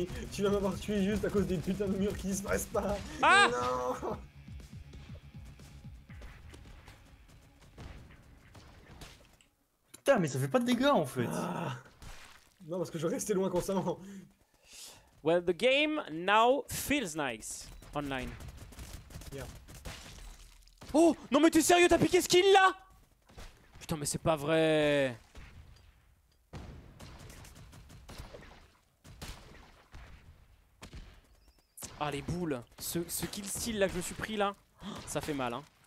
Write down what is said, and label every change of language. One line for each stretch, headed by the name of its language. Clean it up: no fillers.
French: Tu vas m'avoir tué juste à cause des putains de murs qui disparaissent pas. Ah non. Putain, mais ça fait pas de dégâts en fait. Non, parce que je restais loin constamment.
English: Well, the game now feels nice online. Yeah.
French: Oh non mais t'es sérieux, t'as piqué ce kill là? Putain mais c'est pas vrai. Ah les boules, ce kill steal là que je me suis pris là, ça fait mal hein.